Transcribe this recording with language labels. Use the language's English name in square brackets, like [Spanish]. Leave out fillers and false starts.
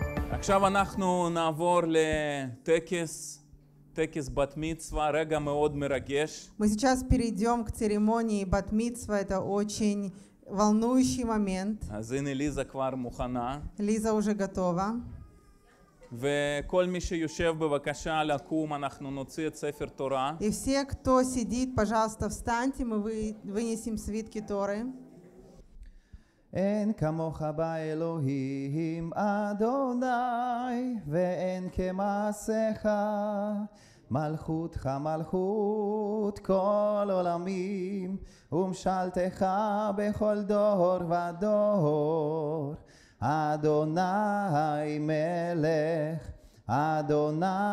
[Hebrew] עכשיו אנחנו נעבור לטקס, טקס בת מצווה, רגע מאוד מרגש. [Russian] Мы сейчас перейдем к церемонии бат мицва, это очень волнующий момент. [Hebrew] אז הנה ליזה כבר מוכנה. [Russian] ליזה уже готова. [Hebrew] וכל מי שיושב בבקשה לקום, אנחנו נוציא את ספר תורה. [Russian] И все, кто сидит, пожалуйста, встаньте, мы вынесем свитки Торы. [Hebrew] אין כמוך באלוהים אדוני ואין כמעשיך מלכותך מלכות כל עולמים ומשלתך בכל דור ודור אדוני מלך אדוני